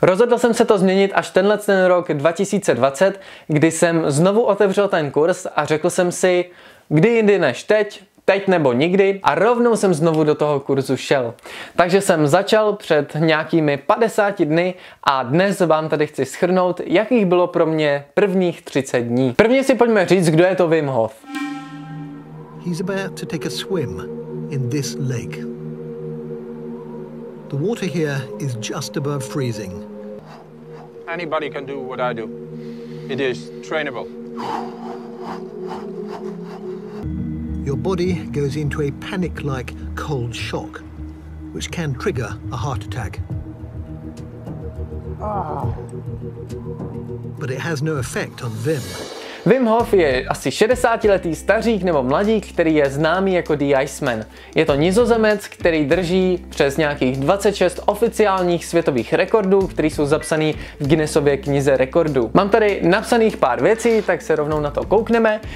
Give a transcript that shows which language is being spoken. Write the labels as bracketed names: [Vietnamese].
[Czech] Rozhodl jsem se to změnit až tenhle ten rok 2020, kdy jsem znovu otevřel ten kurz a řekl jsem si, kdy jindy než teď, teď nebo nikdy, a rovnou jsem znovu do toho kurzu šel. Takže jsem začal před nějakými 50 dny a dnes vám tady chci shrnout, jakých bylo pro mě prvních 30 dní. Prvně si pojďme říct, kdo je to Wim Hof. [English] He's about to take a swim in this lake. The water here is just above freezing. Anybody can do what I do. It is trainable. Your body goes into a panic-like cold shock, which can trigger a heart attack. But it has no effect on Wim. [Czech] Wim Hof je asi 60-letý stařík nebo mladík, který je známý jako The Iceman. Je to Nizozemec, který drží přes nějakých 26 oficiálních světových rekordů, které jsou zapsané v Guinnessově knize rekordů. Mám tady napsaných pár věcí, tak se rovnou na to koukneme.